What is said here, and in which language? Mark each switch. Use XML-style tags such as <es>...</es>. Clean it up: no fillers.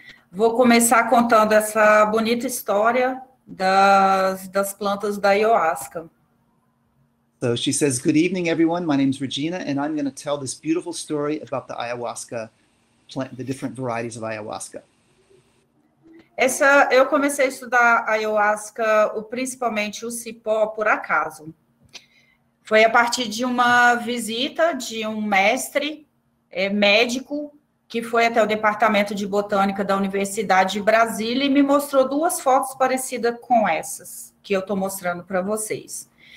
<pt>Vou começar contando essa bonita história das plantas da ayahuasca.</pt> <en>So she says, "Good evening, everyone. My name is Regina, and I'm going to tell this beautiful story about the ayahuasca plant, the different varieties of ayahuasca."</en> <pt>Eu comecei a estudar ayahuasca, principalmente o cipó, por acaso. Foi a partir de uma visita de um mestre. É médico que foi até o Departamento de Botânica da Universidade de Brasília e me mostrou duas fotos parecidas com essas que eu estou mostrando para vocês.</pt>